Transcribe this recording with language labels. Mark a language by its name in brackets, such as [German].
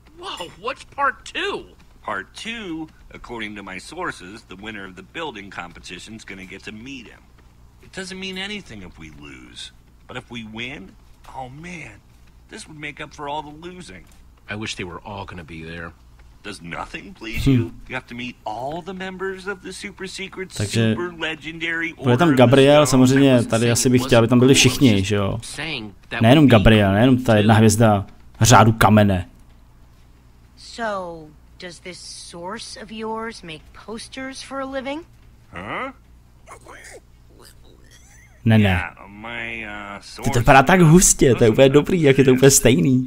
[English] Whoa, what's part two? Part two, according to my sources, the winner of the building competition is going to get to meet him. It doesn't mean anything if we lose, but if we win, oh man, this would make up for all the losing. I wish they were all going to be there. Does nothing please you? You have to meet all the members of the super secret, super legendary order. [Czech] Bude tam Gabriel, samozřejmě tady asi bych chtěl, aby tam byli všichni, že jo? Nejenom Gabriel, nejenom ta jedna hvězda řádu kamene. [English] So... Does this source of yours make posters for a living? Huh? [Czech] Ne, ne. Ty to vypadá tak hustě, to je úplně dobrý, jak je to úplně stejný.